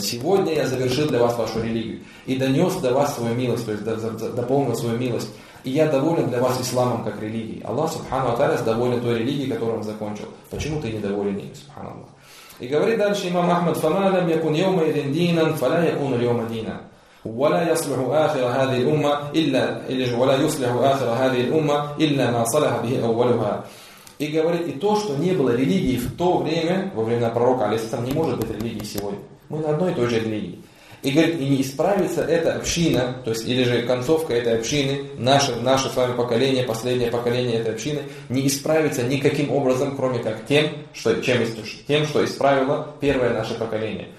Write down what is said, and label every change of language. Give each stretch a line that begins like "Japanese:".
Russian: Сегодня я завершил для вас вашу религию и донес до вас свою милость, то есть дополнил свою милость. И я доволен для вас исламом как религией. Аллах Субхану Аталя доволен той религией, которую он закончил. Почему ты недоволен ими, Субханаллах? И говорит дальше имам Ахмад,
Arabic: фаналям якун йома идин динан, фаля якун льома динан. ولا يصلح آخر هذه الأمة إلا ولا يصلح آخر هذه الأمة إلا ما صلح به أولها.
Russian: И говорит, и то, что не было религии в то время, во времена пророка, алейхиссалям, не может быть религии сегодня. Мы на одной и той же религии. И говорит, и не исправится эта община, то есть или же концовка этой общины, наше с вами поколение, последнее поколение этой общины, не исправится никаким образом, кроме как тем, что исправило первое наше поколение.